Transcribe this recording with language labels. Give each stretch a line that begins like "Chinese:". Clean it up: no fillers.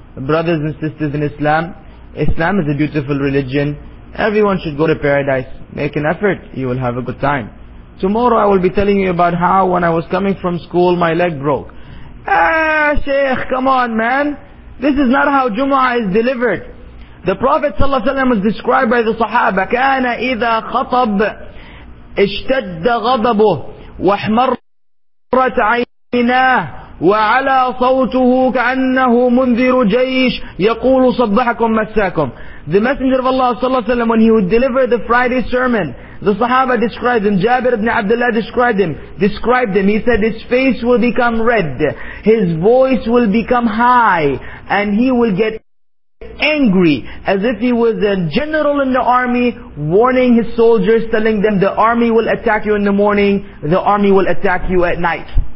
English: Brothers and sisters in Islam, Islam is a beautiful religion. Everyone should go to paradise. Make an effort, you will have a good time. Tomorrow I will be telling you about how when I was coming from school, my leg broke. Ah, Shaykh, come on, man. This is not how Jumu'ah is delivered. The Prophet ﷺ was described by the Sahaba,
Arabic: كَانَ إِذَا خَطَبْ اِشْتَدَّ غَضَبُهُ وَحْمَرَّتْ عَيْنَاهُ وَعَلَى صَوْتُهُ كَأَنَّهُ مُنذِرُ جَيْشِ يَقُولُ صَبَّحَكُمْ مَسَّاكُمْ.
English: The Messenger of Allah ﷺ, when he would deliver the Friday sermon, the Sahaba described him, Jabir ibn Abdullah described him, he said his face will become red, his voice will become high, and he will get angry, as if he was a general in the army, warning his soldiers, telling them, the army will attack you in the morning, the army will attack you at night.